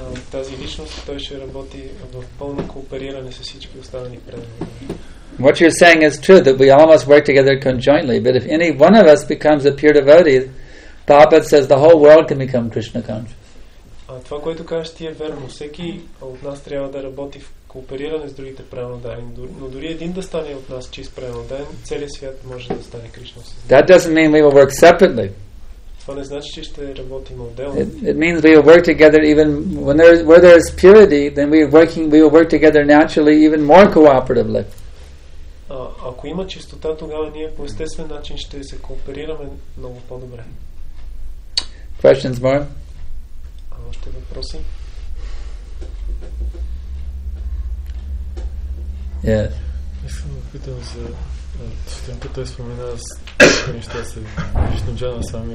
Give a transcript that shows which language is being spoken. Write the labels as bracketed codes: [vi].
[bg] Тази личност, той ще работи в пълно коопериране с всички останали преноден. [en] What you're saying is true, that we all must work together conjointly, but if any one of us becomes a pure devotee, Prabhupad says the whole world can become Krishna conscious. [bg] Това, което кажеш ти е верно. Всеки от нас трябва да работи в коопериране с другите преноданни. Но дори един да стане от нас чист преноден, целият свят може да стане Кришна съзнателен. [en] That doesn't mean we will work separately. [bg] Това не значи, че ще работим отделно. [en] It means we will work together even where there is purity, then we will work together naturally even more cooperatively. [bg] Ако има чистота, тогава ние по естествен начин ще се кооперираме много по-добре. [en] Questions more? [bg] Още въпроси? [en] Yes. [bg] Искам да питам за Сутринта, той спомена с неща с Кришна Джана Сами.